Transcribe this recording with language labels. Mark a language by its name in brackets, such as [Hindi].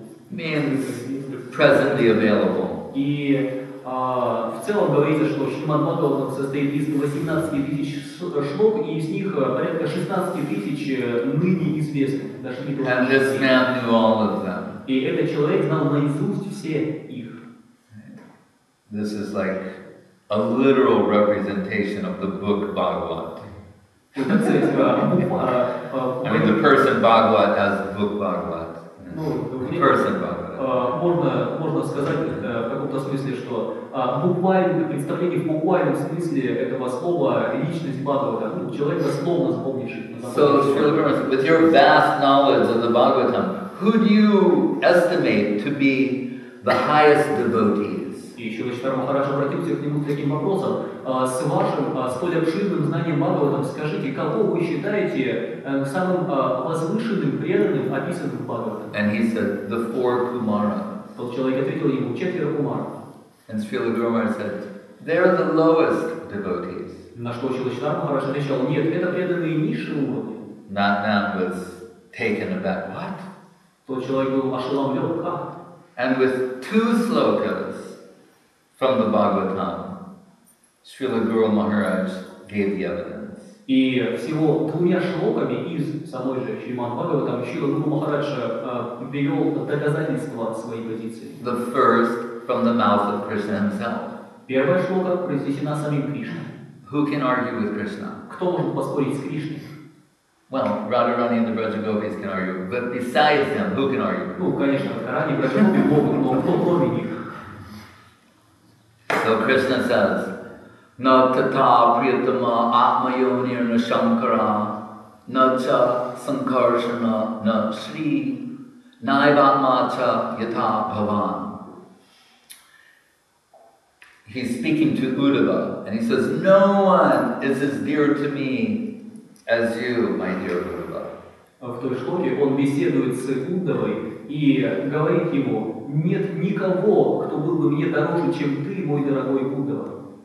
[English] Means presently available. [Russian] И в целом говорится, что Шримад Бхагаватам состоит из 18,000 шлок, и из них порядка 16,000 ныне известных дошли до. [English] And this man knew all of them. [Russian] И этот человек знал наизусть все их. [English] This is like a literal representation of the book Bhagavat. I mean, the person Bhagavat has the book Bhagavat. [Russian] Можно сказать в каком-то смысле, что буквально представление в буквальном смысле этого слова личность Бхагаватам, человек дословно запомнивший. [English] So, Srila Guru Maharaj, with your vast knowledge of the Bhagavatam, who do you estimate to be the highest devotees? [Russian] И еще Шрила Махарадж обратился к нему с таким вопросом: с вашим столь обширным знанием Бхагаватам, скажите, кого вы считаете самым возвышенным, преданным, описанным Бхагаватам? [English] And he said, the four Kumaras. [Russian] Тот человек ответил ему, четверо Кумаров. [English] And Srila Guru Maharaj said, they are the lowest devotees. [Russian] На что Шрила Махарадж хорошо отвечал, нет, это преданные низшего уровня. [English] That man was taken aback. What? [Russian] Тот человек был ошеломлен, как? [English] And with two slokas from the Bhagavatam, Srila Guru Maharaj gave the evidence. [Russian] И всего двумя шлоками из самой же Шримад Бхагаватам Шрила Гуру Махарадж привел доказательства своей позиции. [English] The first from the mouth of Krishna himself. [Russian] Первая шлока произнесена самим Кришной. [English] Who can argue with Krishna? [Russian] Кто может поспорить с Кришной? [English] Well, Radharani and the Braja Gopis can argue, but besides them, who can argue? [Russian] Ну, конечно, Радхарани и Браджа Гопи могут, но кто кроме них? [English] So Krishna says, [Sanskrit] на тата приятама атмайонир на шанкара на ча санкаршана на шри найватма ча ята бхаван. [English] He's speaking to Uddhava and he says, no one is as dear to me as you, my dear Uddhava. [Russian] В той шлоке он беседует с Уддхавой и говорит ему, нет никого, кто был бы мне дороже, чем ты, мой дорогой Уддхава.